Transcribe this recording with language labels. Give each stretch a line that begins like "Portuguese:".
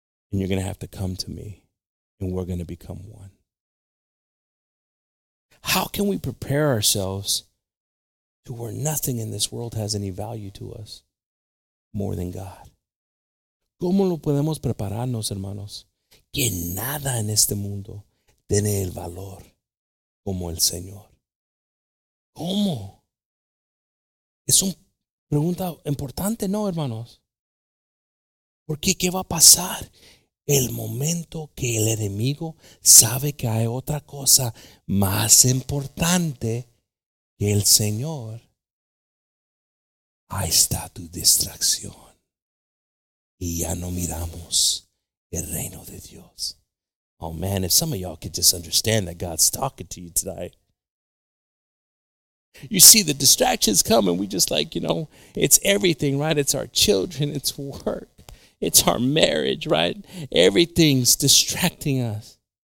English: And you're going to have to come to me. And we're going to become one. How can we prepare ourselves to where nothing in this world has any value to us more than God?
Spanish: ¿Cómo lo podemos prepararnos, hermanos? Que nada en este mundo tiene el valor como el Señor. ¿Cómo? Es una pregunta importante, ¿no, hermanos? ¿Por qué? ¿Qué va a pasar? El momento que el enemigo sabe que hay otra cosa más importante que el Señor, ahí está tu distracción. Y ya no miramos el reino de Dios.
English: Oh man, if some of y'all could just understand that God's talking to you tonight. You see, the distractions come and we just like, you know, it's everything, right? It's our children, it's work. It's our marriage, right? Everything's distracting us.